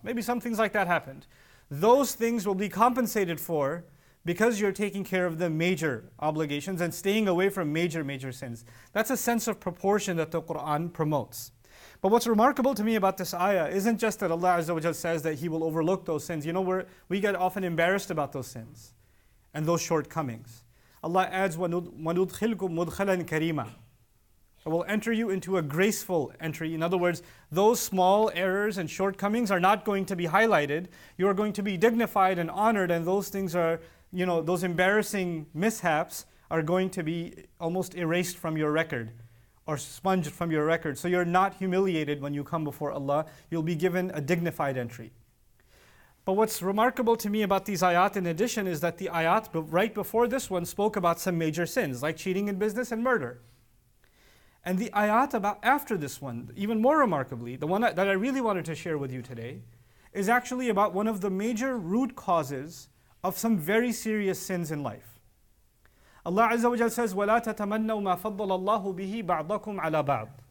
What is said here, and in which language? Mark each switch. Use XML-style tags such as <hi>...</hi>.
<en>Maybe some things like that happened. Those things will be compensated for because you're taking care of the major obligations and staying away from major, major sins. That's a sense of proportion that the Qur'an promotes. But what's remarkable to me about this ayah isn't just that Allah Azza wa Jalla says that He will overlook those sins. You know, we get often embarrassed about those sins and those shortcomings.</en> <ar>Allah</ar> <en>adds,</en> <ar>وَنُدْخِلْكُمْ مُدْخَلًا كَرِيمًا.</ar> <en>I will enter you into a graceful entry. In other words, those small errors and shortcomings are not going to be highlighted. You are going to be dignified and honored, and those things are, you know, those embarrassing mishaps are going to be almost erased from your record are expunged from your record. So you're not humiliated when you come before Allah. You'll be given a dignified entry. But what's remarkable to me about these ayat in addition is that the ayat right before this one spoke about some major sins, like cheating in business and murder. And the ayat about after this one, even more remarkably, the one that I really wanted to share with you today, is actually about one of the major root causes of some very serious sins in life.</en> <ar>Allah Azza wa Jalla</ar> <en>says,</en> <ar>وَلَا تَتَمَنَّوا مَا فَضَّلَ اللَّهُ بِهِ بَعْضَكُمْ عَلَى بَعْضٍ.</ar>